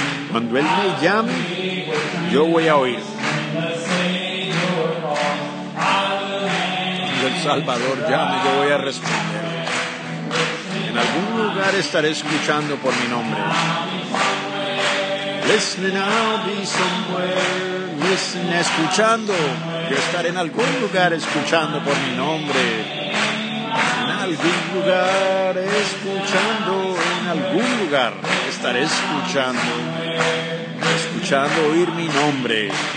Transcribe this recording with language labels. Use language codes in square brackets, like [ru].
[es] Cuando Él me llame, yo voy a oír. El Salvador llame, yo voy a responder. En algún lugar estaré escuchando por mi nombre. [en] Listen, I'll be somewhere. Listen, [es] escuchando. Yo estaré en algún lugar escuchando por mi nombre. En algún lugar escuchando. En algún lugar estaré escuchando. Escuchando oír mi nombre.